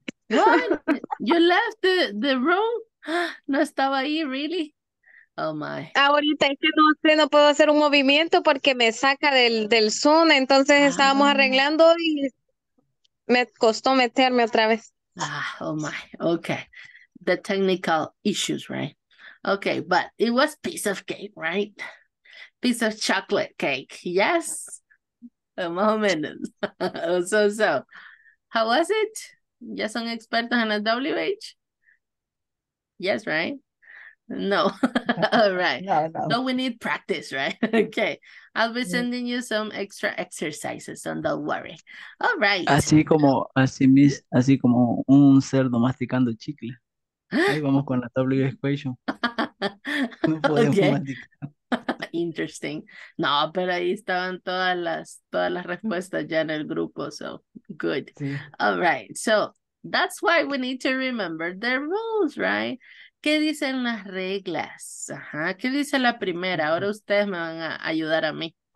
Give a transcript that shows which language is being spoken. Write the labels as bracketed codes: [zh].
[en] What? You left the room? [es] No estaba ahí, [en] really? Oh my. [es] Ahorita es que no puedo hacer un movimiento porque me saca del Zoom. Entonces estábamos arreglando y me costó meterme otra vez. [en] Ah, oh my. Okay. The technical issues, right? Okay, but it was piece of cake, right? Piece of chocolate cake. Yes. A moment. So. How was it? [es] ¿Ya son expertos en el WH? [en] Yes, right? [es] No. [en] All right. [es] No. [en] So we need practice, right? Okay. I'll be sending you some extra exercises, so don't worry. All right. [es] Así como un cerdo masticando chicle. Ahí vamos con la W equation. No podemos masticar. [en] Interesting. [es] No, pero ahí estaban todas las respuestas ya en el grupo, [en] so good. [es] Sí. [en] All right. So that's why we need to remember the rules, right? [es] ¿Qué dicen las reglas? Ajá. ¿Qué dice la primera? Ahora ustedes me van a ayudar a mí.